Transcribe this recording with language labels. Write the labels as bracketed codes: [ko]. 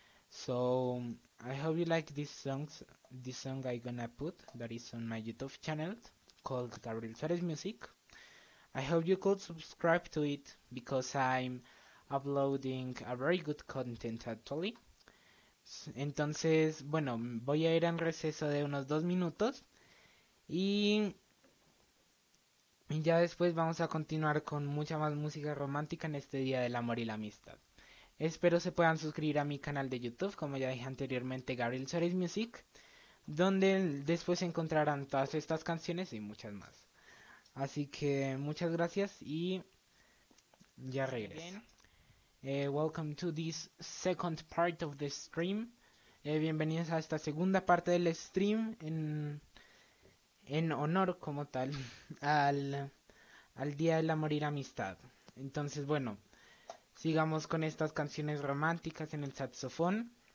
[en] So I hope you like these songs. This song I'm gonna put that is on my YouTube channel called Gabriel Suarez Music. I hope you could subscribe to it because I'm uploading a very good content actually. [es] Entonces, bueno, voy a ir en receso de unos 2 minutos y ya después vamos a continuar con mucha más música romántica en este Día del Amor y la Amistad. Espero se puedan suscribir a mi canal de YouTube, como ya dije anteriormente, Gabriel Suárez Music, donde después encontrarán todas estas canciones y muchas más. Así que muchas gracias y ya regreso. [en] Again. Welcome to this second part of the stream. [es] Bienvenidos a esta segunda parte del stream en honor como tal al Día del Amor y la Amistad. Entonces, bueno, sigamos con estas canciones románticas en el saxofón.